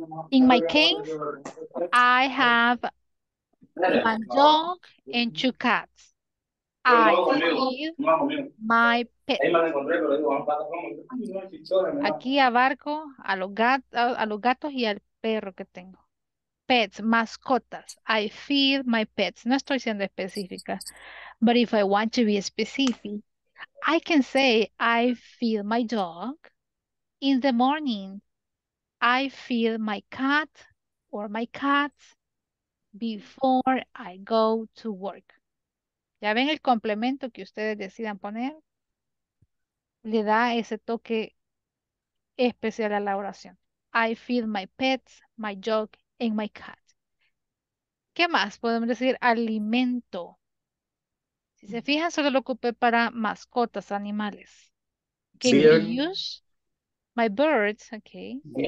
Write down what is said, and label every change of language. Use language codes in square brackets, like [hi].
[en] In my case, I have one dog and two cats. I feed my pet. [es] Aquí abarco a los gatos y al perro que tengo. [en] Pets, mascotas. I feed my pets. No estoy siendo específica. But if I want to be specific, I can say I feed my dog in the morning. I feed my cat or my cats before I go to work. [es] Ya ven el complemento que ustedes decidan poner, le da ese toque especial a la oración. [en] I feed my pets, my dog, and my cat. [es] ¿Qué más? Podemos decir alimento. Si se fijan, solo lo ocupé para mascotas, animales. [en] Can you use my birds? Okay.